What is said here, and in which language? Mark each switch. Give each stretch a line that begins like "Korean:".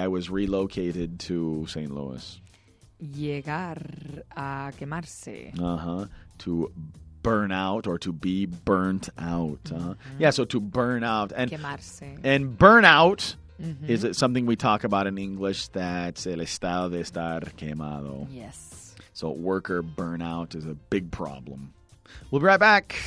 English: I was relocated to St. Louis.
Spanish: Llegar a quemarse. Uh-huh.
English: To burn out or to be burnt out. Uh-huh. Mm-hmm. Yeah, so to burn out. And
Spanish: quemarse.
English: And burn out. Mm-hmm. Is it something we talk about in English? That's
Spanish: el estado de estar quemado.
English: Yes. So worker burnout is a big problem. We'll be right back.